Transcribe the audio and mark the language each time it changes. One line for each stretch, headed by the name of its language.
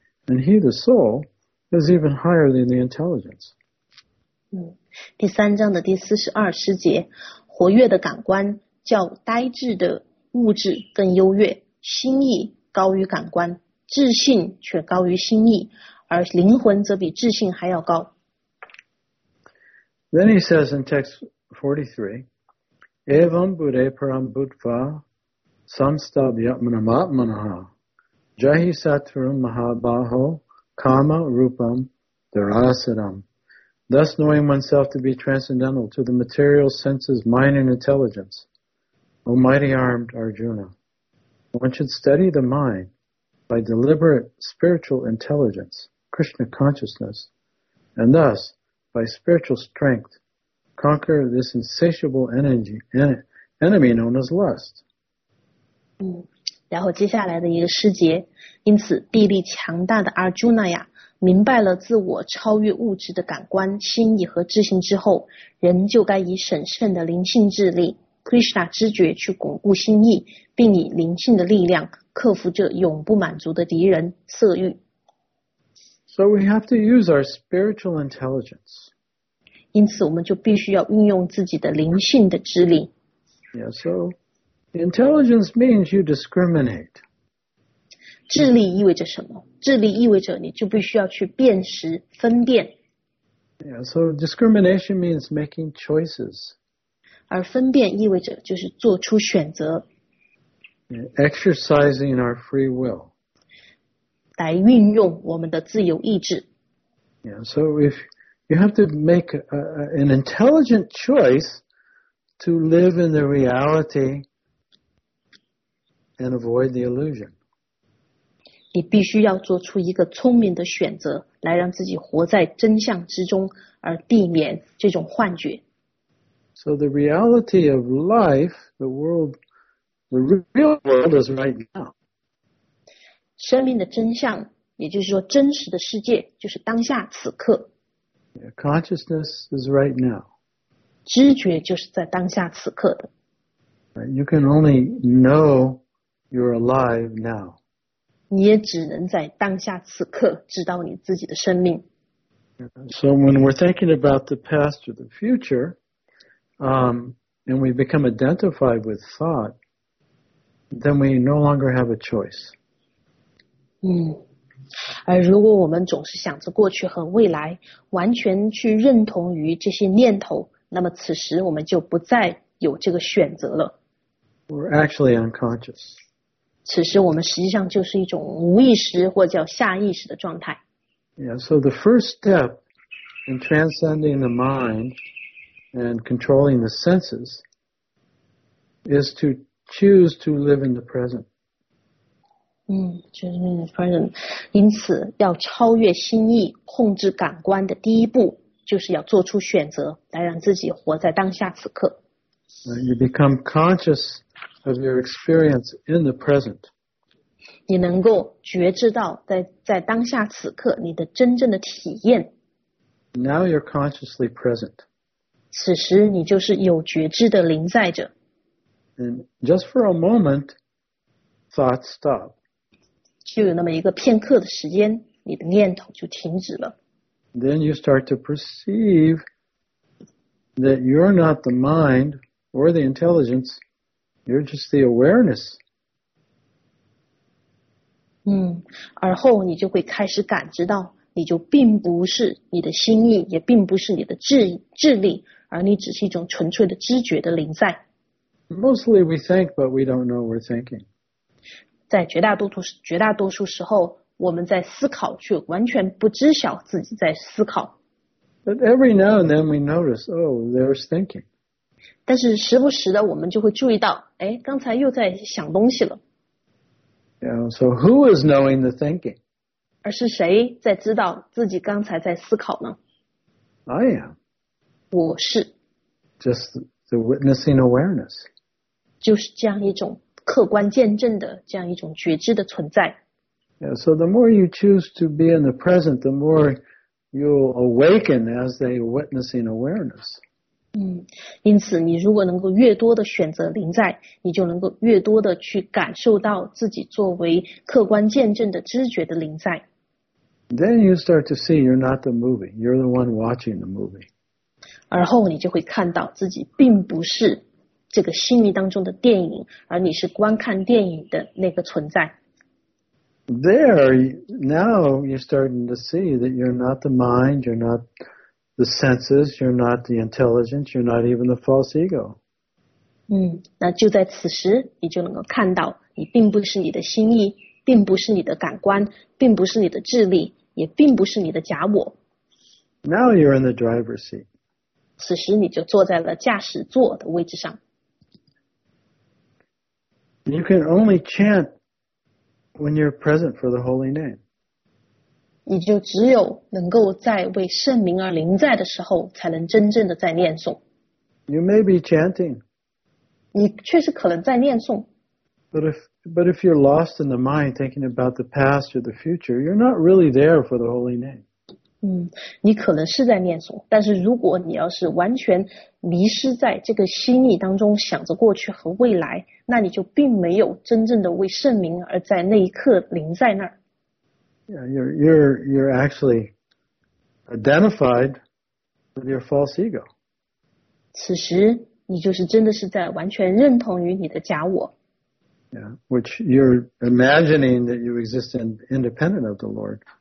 English: And he, the soul, is even higher than the intelligence.
Chinese: 第三章的第42诗节，活跃的感官较呆滞的物质更优越，心意高于感官，智性却高于心意，而灵魂则比智性还要高。
English: Then he says in text 43
Sanskrit: evam buddhe param buddha samstabhyatmanam atmanah jahi satrum mahabaho kama rupam Dharasaram.
English: Thus knowing oneself to be transcendental to the material senses, mind, and intelligence. O mighty-armed Arjuna, one should study the mind by deliberate spiritual intelligence, Krishna consciousness, and thus, by spiritual strength, conquer this insatiable energy, enemy known as lust.
Chinese: 然后接下来的一个诗节，因此臂力强大的 Arjuna 呀，明白了自我超越物质的感官、心意和智性之后，人就该以审慎的灵性智力 Krishna 知觉去巩固心意，并以灵性的力量克服这永不满足的敌人色欲。
English: So we have to use our spiritual intelligence.
Chinese: 因此我们就必须要运用自己的灵性的智力。
English: Yeah, so intelligence means you discriminate.
Chinese: 智力意味着什么？智力意味着你就必须要去辨识、分辨。
English: Yeah, so discrimination means making choices.
Chinese: 而分辨意味着就是做出选择。
English: Exercising our free will.
Chinese: 来运用我们的自由意志。
English: Yeah, so if you have to make an intelligent choice to live in the reality and avoid the illusion.
Chinese: 你必须要做出一个聪明的选择，来让自己活在真相之中，而避免这种幻觉。
English: So the reality of life, the world, the real world is right now.
Chinese: 生命的真相，也就是说真实的世界，就是当下此刻。
English: Yeah, consciousness is right now.
Chinese: 知觉就是在当下此刻的。
English: You can only know you're alive now.
Chinese: 你也只能在当下此刻知道你自己的生命。
English: So when we're thinking about the past or the future, and we become identified with thought, then we no longer have a choice.
Chinese: 而如果我们总是想着过去和未来，完全去认同于这些念头，那么此时我们就不再有这个选择了。
English: We're actually unconscious.
Chinese: 此时我们实际上就是一种无意识或叫下意识的状态。
English: Yeah, so the first step in transcending the mind and controlling the senses is to choose to live in the present. Choose to live in the present.
Chinese: 因此要超越心意、控制感官的第一步就是要做出选择来让自己活在当下此刻。
English: You become conscious of your experience in the present.
Chinese: 你能够觉知到在当下此刻你的真正的体验。
English: Now you're consciously present.
Chinese: 此时你就是有觉知的临在者。
English: And just for a moment, thoughts stop.
Chinese: 就有那么一个片刻的时间，你的念头就停止了。
English: Then you start to perceive that you're not the mind or the intelligence. You're just the awareness.
Chinese: 而后你就会开始感知到，你就并不是你的心意，也并不是你的智力，而你只是一种纯粹的知觉的临在。
English: Mostly we think, but we don't know we're thinking.
Chinese: 在绝大多数时候，我们在思考，却完全不知晓自己在思考。
English: But every now and then we notice, oh, there's thinking.
Chinese: 但是时不时的我们就会注意到，哎，刚才又在想东西了。
English: Yeah, so who is knowing the thinking?
Chinese: 而是谁在知道自己刚才在思考呢？
English: I am.
Chinese: 我是。
English: Just the witnessing awareness.
Chinese: 就是这样一种客观见证的这样一种觉知的存在。
English: Yeah, so the more you choose to be in the present, the more you'll awaken as a witnessing awareness.
Chinese: 因此你如果能够越多的选择临在，你就能够越多的去感受到自己作为客观见证的知觉的临在。
English: Then you start to see you're not the movie, you're the one watching the movie.
Chinese: 而后你就会看到自己并不是这个心意当中的电影，而你是观看电影的那个存在。
English: There, now you're starting to see that you're not the mind, you're notthe senses, you're not the intelligence, you're not even the false ego.
Chinese: 那就在此时你就能够看到你并不是你的心意，并不是你的感官，并不是你的智力，也并不是你的假我。
English: Now you're in the driver's seat.
Chinese: 此时你就坐在了驾驶座的位置上。
English: You can only chant when you're present for the holy name.
Chinese: 你就只有能够在为圣名而临在的时候才能真正的在念诵。
English: You may be chanting.
Chinese: 你确实可能在念诵。
English: But if you're lost in the mind thinking about the past or the future, you're not really there for the holy name.
Chinese: 嗯，你可能是在念诵，但是如果你要是完全迷失在这个心意当中，想着过去和未来，那你就并没有真正的为圣名而在那一刻临在那儿。
English: Yeah, you're actually identified with your false ego.
Chinese: 此时你就是真的是在完全认同于你的假我。
English: Yeah, which you're imagining that you exist independent of the Lord.